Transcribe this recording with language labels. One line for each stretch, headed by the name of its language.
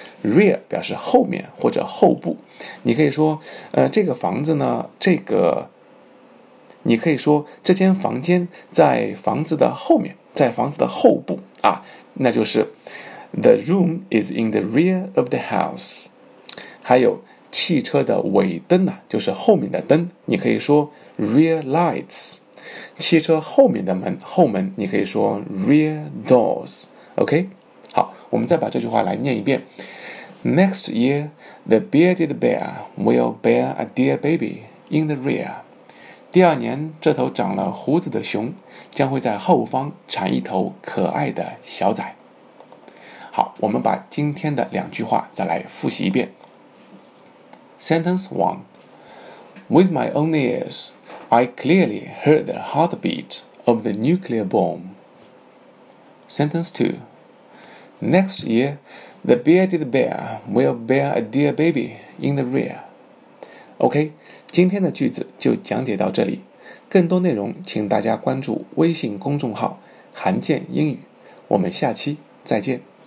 Chinese: Rear 表示后面或者后部。你可以说这个房子呢，这个你可以说这间房间在房子的后面，在房子的后部啊，那就是
English: The room is in the rear of the house.
Chinese: 还有汽车的尾灯呢，就是后面的灯，你可以说 rear lights。汽车后面的门，后门，你可以说 rear doors。 OK, 好，我们再把这句话来念一遍。
English: Next year, the bearded bear will bear a dear baby in the rear.
Chinese: 第二年，这头长了胡子的熊将会在后方产一头可爱的小仔。好，我们把今天的两句话再来复习一遍。
English: Sentence 1. With my own ears, I clearly heard the heartbeat of the nuclear bomb. Sentence 2. Next year, the bearded bear will bear a dear baby in the rear.
Chinese: OK, 今天的句子就讲解到这里。更多内容请大家关注微信公众号韩健英语。我们下期再见。